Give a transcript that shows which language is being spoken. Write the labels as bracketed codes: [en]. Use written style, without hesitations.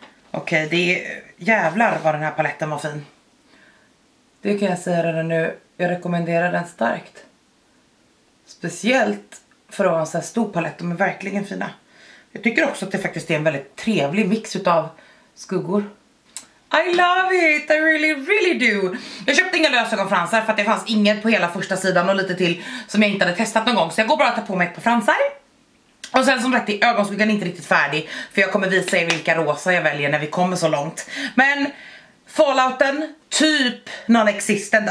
[sv] Okej, det är jävlar vad den här paletten var fin. Det kan jag säga redan nu. Jag rekommenderar den starkt. Speciellt för att ha en så här stor palett. De är verkligen fina. Jag tycker också att det faktiskt är en väldigt trevlig mix utav skuggor. [en] I love it, I really really do. [sv] Jag köpte inga lösögonfransar för att det fanns inget på hela första sidan och lite till som jag inte hade testat någon gång. Så jag går bara att ta på mig ett par fransar. Och sen som sagt, ögonskuggan är inte riktigt färdig. För jag kommer visa er vilka rosa jag väljer när vi kommer så långt. Men falloutten, typ non-existent.